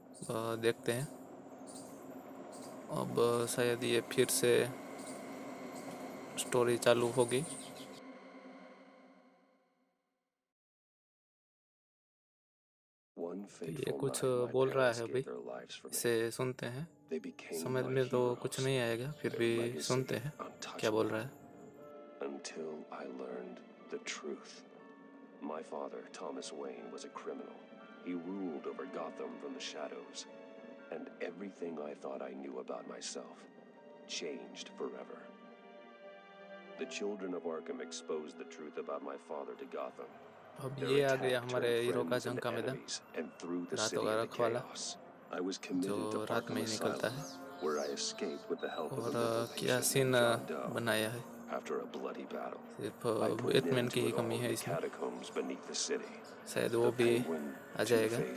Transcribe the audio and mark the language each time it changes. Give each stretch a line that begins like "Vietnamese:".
Hindi: देखते हैं अब शायद ये फिर से स्टोरी चालू होगी। ये कुछ बोल रहा है अभी, इसे सुनते हैं। समझ में तो कुछ नहीं आएगा, फिर भी सुनते हैं क्या बोल रहा है।
English: Until I learned the truth. My father, Thomas Wayne, was a criminal. He ruled over Gotham from the shadows. And everything I thought I knew about myself changed forever. The children of Arkham exposed the truth about my father to Gotham.
Hindi: अब ये आ गया हमारे hero का झंका मैदान, रातों का रखवाला जो रात में ही निकलता है। और क्या सीन बनाया है, सिर्फ बैटमैन की ही कमी है इसमें, शायद वो भी आ जाएगा।